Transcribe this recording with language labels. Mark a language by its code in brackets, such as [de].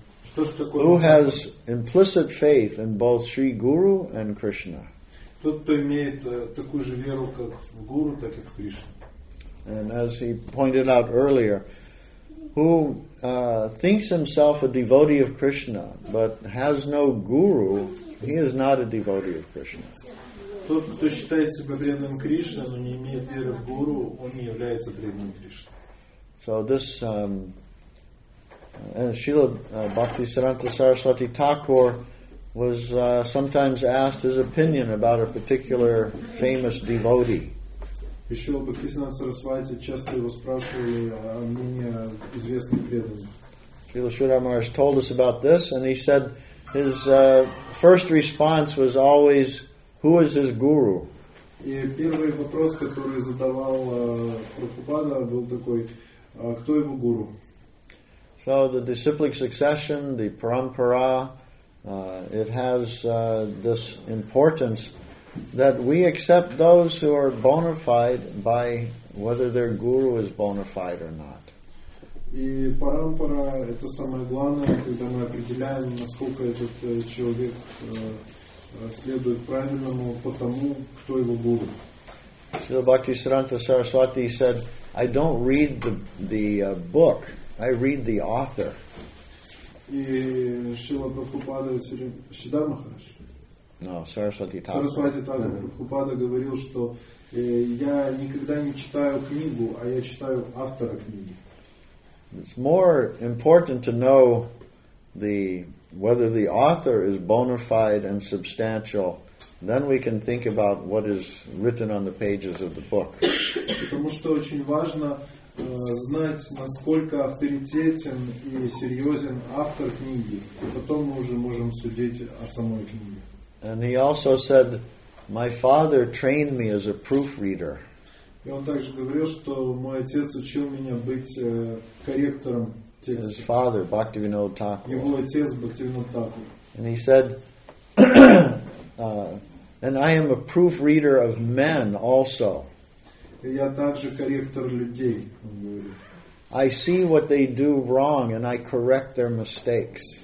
[en] Who has implicit faith in both Sri Guru and Krishna? [ru] Тот, кто имеет такую же веру как в Гуру, так и в Кришну. [en] And as he pointed out earlier, who thinks himself a devotee of Krishna but has no guru, he is not a devotee of Krishna. [ru] Тот, кто считает себя преданным Кришне, но не имеет веры в гуру, он не является преданным Кришне. [en] So this and Srila Bhaktisiddhanta Saraswati Thakur was sometimes asked his opinion about a particular famous devotee. [ru] Еще бы Кришна Сарасвати часто его спрашивали о мнении известных преданных. [en] Srila Sridhar Maharaj told us about this, and he said his first response was always, "Who is his guru?" [ru] И первый вопрос, который задавал Прабхупада, был такой: "Кто его гуру?" [en] So the disciplic succession, the parampara, it has this importance. That we accept those who are bona fide by whether their guru is bona fide or not. [ru] И парампара – это самое главное, когда мы определяем, насколько этот человек следует правильному по тому, кто его гуру. [en] Srila Bhaktisiddhanta Saraswati said, I don't read the book, I read the author. [ru] И Шрила Прабхупада Сридхар Махарадж. [en] No, Saraswati Thakur. Saraswati Thakur. [ru] Prabhupada говорил, что я никогда не читаю книгу, а я читаю автора книги. [en] It's more important to know whether the author is bona fide and substantial, then we can think about what is written on the pages of the book. [ru] Потому что очень важно знать, насколько авторитетен и серьезен автор книги. И потом мы уже можем судить о самой книге. [en] And he also said, my father trained me as a proofreader. [ru] И он также говорил, что мой отец учил меня быть корректором текста. [en] His father, Bhaktivinoda Thakur. [ru] Его отец, Бхактивинода Тхакур. [en] And he said, and I am a proofreader of men also. [ru] Я также корректор людей, он говорит. [en] I see what they do wrong and I correct their mistakes.